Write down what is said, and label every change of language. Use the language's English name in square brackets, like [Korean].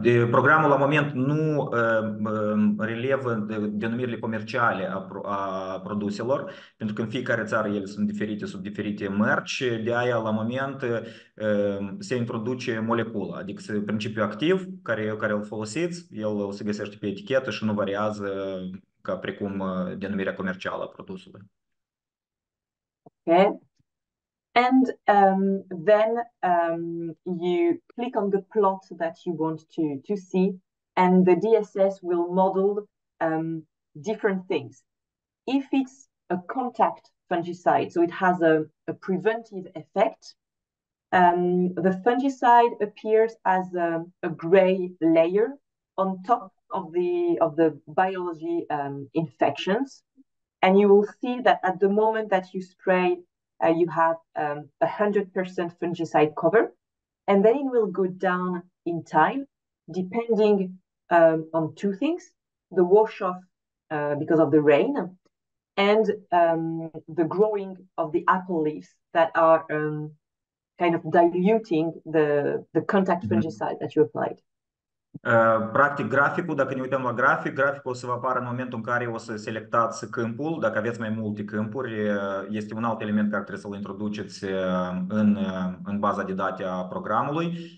[Romanian] Programul la moment nu relevă denumirile comerciale a produselor, pentru că în fiecare țară ele sunt diferite sub diferite mărci, de aia la moment se introduce molecula, adică principiul activ care îl folosiți, el o se găsește pe etichetă și nu variază ca precum denumirea comercială a produsului. [English] Okay. And then you click on the plot that you want to see, and the DSS will model different things. If it's a contact fungicide, so it has a preventive effect, the fungicide appears as a gray layer on top of the biology infections, and you will see that at the moment that you spray, you have 100% fungicide cover, and then it will go down in time, depending on two things, the wash off because of the rain, and the growing of the apple leaves that are kind of diluting the contact fungicide that you applied. [Romanian] Practic graficul, dacă ne uităm la grafic, graficul o să vă apară în momentul în care o să selectați câmpul. Dacă aveți mai multe câmpuri, este un alt element care trebuie să-l introduceți în baza de date a programului.